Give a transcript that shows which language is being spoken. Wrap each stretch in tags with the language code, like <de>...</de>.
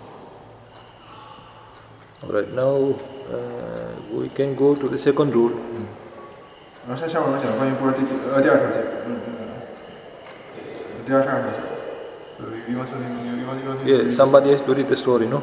<zh>然后这下边其他的先其他解释呢就跟那个尼萨前八戒第一条就是那个多余意念就是那个相似。Alright,</zh> <en>now we can go to the second rule.</en> <zh>然后下面我们讲关于第二条解释。</zh> <en>Yeah, somebody has to read the story, no?</en>